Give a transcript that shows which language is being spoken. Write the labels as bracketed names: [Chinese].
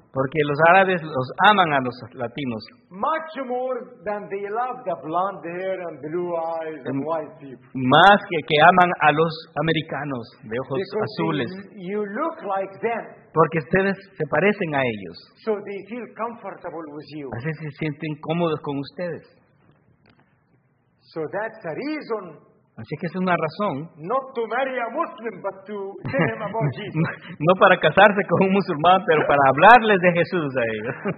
[Spanish] Porque los árabes los aman a los latinos. [English] Much more than they love the blonde hair and blue eyes and white people. [Spanish] Más que aman a los americanos de ojos [English] because [Spanish] azules. [English] You look like them. [Spanish] Porque ustedes se parecen a ellos. [English] So they feel comfortable with you. [Spanish] Así se sienten cómodos con ustedes. [English] So that's the reason. [Spanish] Así que es una razón. [English] Not to marry a Muslim, but to tell him about Jesus. [Spanish] No para casarse con un musulmán, pero para hablarles de Jesús a ellos.